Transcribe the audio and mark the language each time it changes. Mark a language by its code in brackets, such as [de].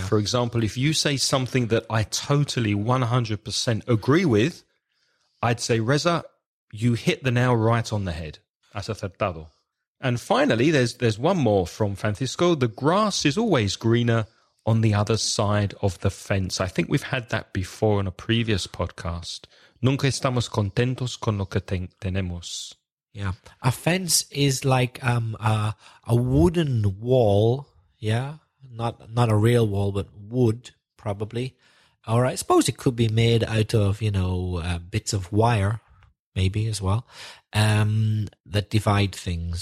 [en] For example, if you say something that I totally 100% agree with, I'd say, Reza, you hit the nail right on the head. [es] Has acertado. [en] And finally, there's one more from Francisco. The grass is always greener on the other side of the fence. I think we've had that before on a previous podcast. [es] Nunca estamos contentos con lo que tenemos. [en] Yeah. A fence is like a wooden wall. Yeah. Not a real wall, but wood, probably. Or I suppose it could be made out of, you know, bits of wire. Maybe as well, that divide things.